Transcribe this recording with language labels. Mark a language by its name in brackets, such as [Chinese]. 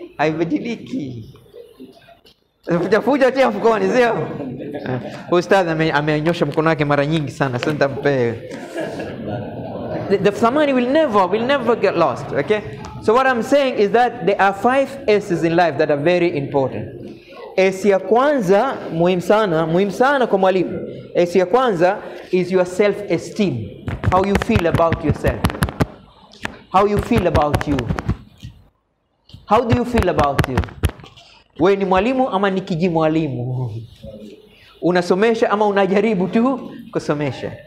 [Swahili] Haibadiliki. Fuja tia mfukoni, sio? Ustadh ameanyosha mkono wake mara nyingi sana. Sasa nitampea. [English] The thamani will never get lost, okay? So what I'm saying is that there are 5 S's in life that are very important. [Swahili] S ya kwanza, muhimu sana kwa mwalimu. S ya kwanza [English] is your self-esteem. How you feel about yourself. How you feel about you. How do you feel about you? [Swahili] Wewe ni mwalimu ama ni kijimwalimu? Unasomesha ama unajaribu tu kusomesha?